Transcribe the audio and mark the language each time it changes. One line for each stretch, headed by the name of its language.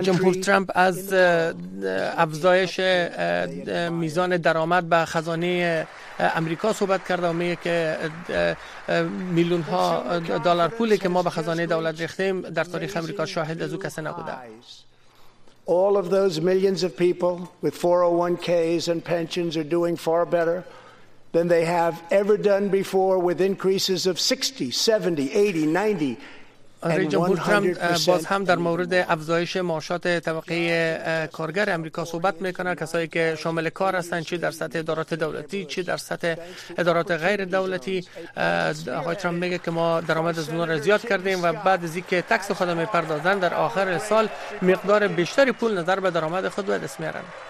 Persian: جمهور ترامپ از افزایش میزان درآمد به خزانه امریکا صحبت کرد و میگه که میلیون ها دلار پولی که ما به خزانه دولت ریختیم در تاریخ امریکا شاهد از او کسی نبوده.
English: All of those millions of people with 401k's and pensions are doing far better than they have ever done before with increases of 60, 70, 80, 90
Persian: رئیس جمهور ترامپ باز هم در مورد افزایش معاشات طبقه کارگر امریکا صحبت میکنه. کسایی که شامل کار هستند چه در سطح ادارات دولتی چه در سطح ادارات غیر دولتی، آقای ترامپ میگه که ما درآمد از اونها را زیاد کردیم و بعد از اینکه تکس خود میپردازن در آخر سال مقدار بیشتری پول نظر به درآمد خود به دست میارن.